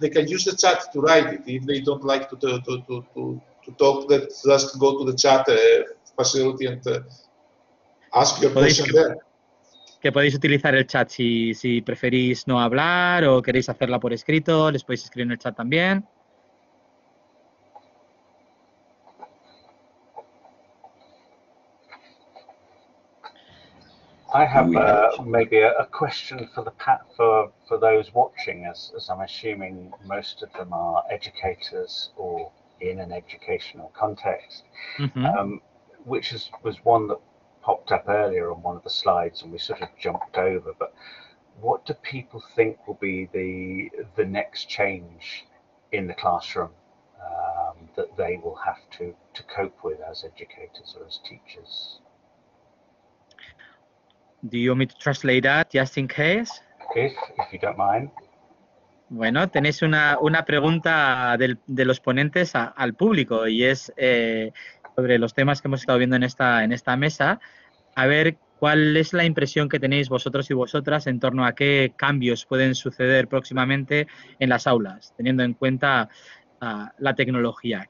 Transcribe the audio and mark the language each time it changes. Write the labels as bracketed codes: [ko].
[en] They can use the chat to write it. If they don't like to talk, that just go to the chat facility and ask your question there. [es] Que podéis utilizar el chat si preferís no hablar o queréis hacerla por escrito, les podéis escribir en el chat también. [en] I have maybe a question for those watching, as I'm assuming most of them are educators or in an educational context, which was one that popped up earlier on one of the slides and we sort of jumped over. But what do people think will be the next change in the classroom that they will have to cope with as educators or as teachers? Do you want me to translate that, just in case? If you don't mind. [es] Bueno, tenéis una pregunta de los ponentes al público y es sobre los temas que hemos estado viendo en esta mesa. A ver, ¿cuál es la impresión que tenéis vosotros y vosotras en torno a qué cambios pueden suceder próximamente en las aulas, teniendo en cuenta la tecnología?